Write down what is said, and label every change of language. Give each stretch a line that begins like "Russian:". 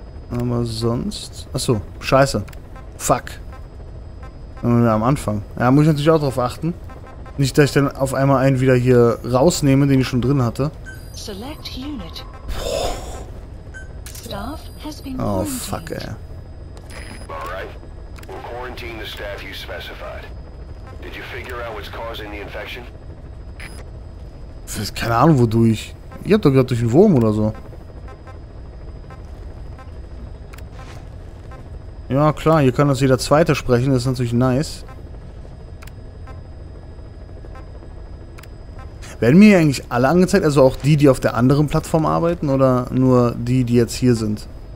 German: Aber sonst. Achso, scheiße. Fuck. Am Anfang. Ja, muss ich natürlich auch drauf achten. Nicht, dass ich dann auf einmal einen wieder hier rausnehme, den ich schon drin hatte.
English: Select unit. Staff has been quarantined. Oh, fuck, ey. Alright. We'll quarantine the staff you specified. Did you figure out what's causing the infection?
German: Keine Ahnung, wodurch. Ich hab doch gerade durch einen Wurm oder so. Ja, klar, hier kann das jeder Zweite sprechen, das ist natürlich nice. Werden mir hier eigentlich alle angezeigt, also auch die, die auf der anderen Plattform arbeiten, oder nur die, die jetzt hier sind?